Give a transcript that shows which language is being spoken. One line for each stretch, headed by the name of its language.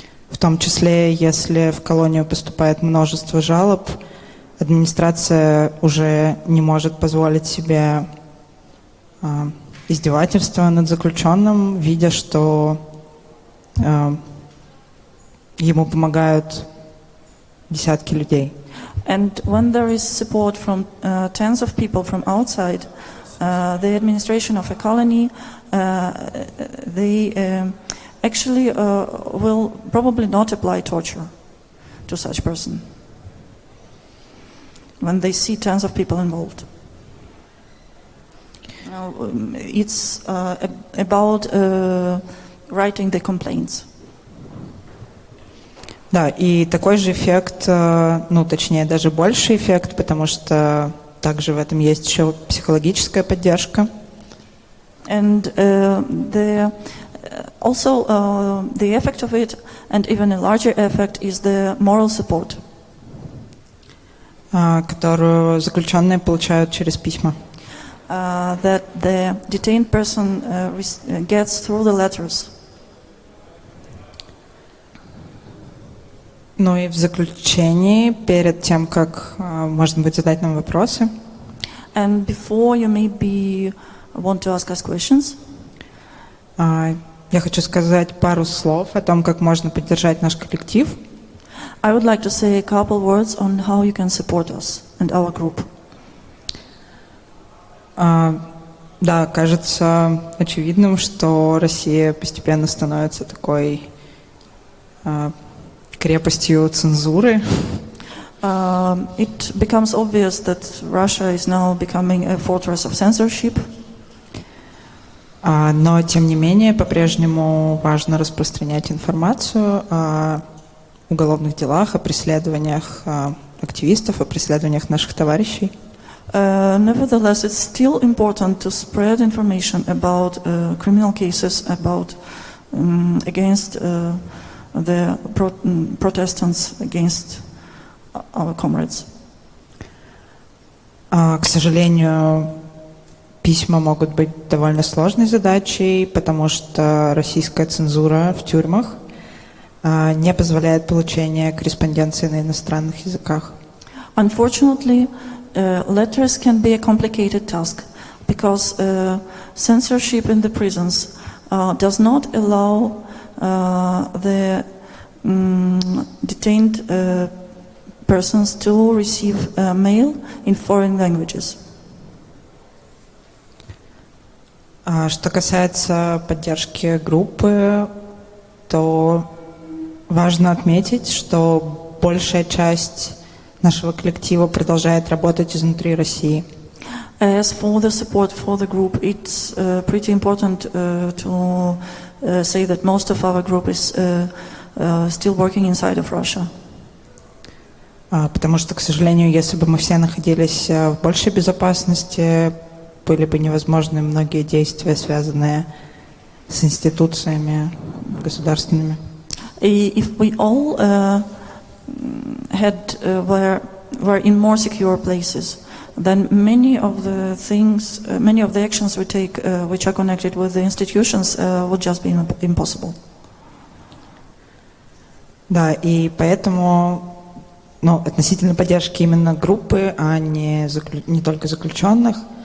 Russian: В том числе, если в колонию поступает множество жалоб, администрация уже не может позволить себе издевательство над заключенным, видя, что ему помогают десятки людей.
English: And when there is support from tens of people from outside, the administration of a colony, they actually will probably not apply torture to such person when they see tens of people involved. It's about writing the complaints.
Russian: Да, и такой же эффект, ну, точнее, даже больший эффект, потому что также в этом есть еще психологическая поддержка.
English: And the also the effect of it, and even a larger effect, is the moral support.
Russian: Которую заключенные получают через письма.
English: That the detained person gets through the letters.
Russian: Ну и в заключении, перед тем, как, может быть, задать нам вопросы.
English: And before you maybe want to ask us questions.
Russian: Я хочу сказать пару слов о том, как можно поддержать наш коллектив.
English: I would like to say a couple words on how you can support us and our group.
Russian: Да, кажется очевидным, что Россия постепенно становится такой крепостью цензуры.
English: It becomes obvious that Russia is now becoming a fortress of censorship.
Russian: Но, тем не менее, по-прежнему важно распространять информацию о уголовных делах, о преследованиях активистов, о преследованиях наших товарищей.
English: Nevertheless, it's still important to spread information about criminal cases, about against the protestants, against our comrades.
Russian: К сожалению, письма могут быть довольно сложной задачей, потому что российская цензура в тюрьмах не позволяет получения корреспонденции на иностранных языках.
English: Unfortunately, letters can be a complicated task because censorship in the prisons does not allow the detained persons to receive mail in foreign languages.
Russian: Что касается поддержки группы, то важно отметить, что большая часть нашего коллектива продолжает работать изнутри России.
English: As for the support for the group, it's pretty important to say that most of our group is still working inside of Russia.
Russian: Потому что, к сожалению, если бы мы все находились в большей безопасности, были бы невозможны многие действия, связанные с институциями государственными.
English: If we all were in more secure places, then many of the actions we take, which are connected with the institutions, would just be impossible.
Russian: Да, и поэтому, ну, относительно поддержки именно группы, а не только заключенных.